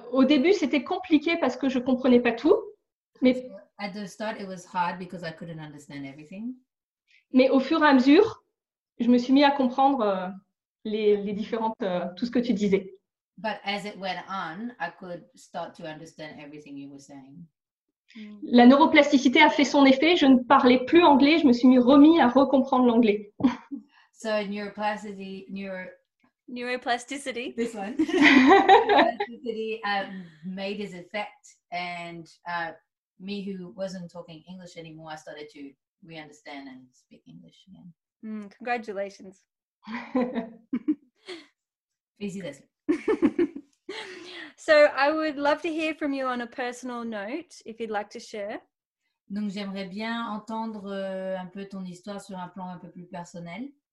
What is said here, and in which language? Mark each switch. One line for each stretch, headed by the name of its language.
French: Au début, c'était compliqué parce que je comprenais pas tout. Mais
English: at the start, it was hard because I couldn't understand everything.
French: Mais au fur et à mesure, je me suis mis à comprendre les différentes tout ce que tu disais.
English: But as it went on, I could start to understand everything you were saying.
French: La neuroplasticité a fait son effet. Je ne parlais plus anglais. Je me suis remis à recomprendre l'anglais.
English: So neuroplasticity. This one. Neuroplasticity made its effect, and me who wasn't talking English anymore, I started to re-understand and speak English again. Congratulations.
French: Félicitations.
English: So I would love to hear from you on a personal note if you'd like to share.
French: Donc j'aimerais bien entendre un peu ton histoire sur un plan un peu plus personnel.